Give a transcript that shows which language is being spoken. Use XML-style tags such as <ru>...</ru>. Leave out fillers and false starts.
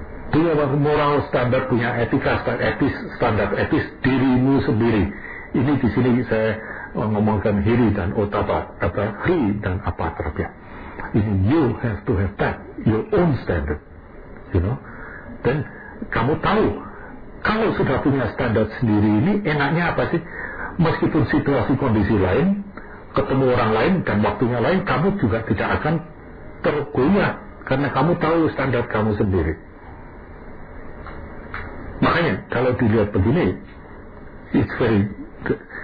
<id>Punya moral standar, punya etika standar etis dirimu sendiri. Ini di sini saya mengomongkan hiri dan otapa, apa hiri dan apa terapia. Ini</id> <en>you have to have that, your own standard. You know,</en> <id>dan kamu tahu kalau sudah punya standar sendiri ini enaknya apa sih? Meskipun situasi kondisi lain, ketemu orang lain dan waktunya lain, kamu juga tidak akan tergoyah karena kamu tahu standar kamu sendiri. Makanya kalau dilihat begini,</id> <en>it's very good.</en>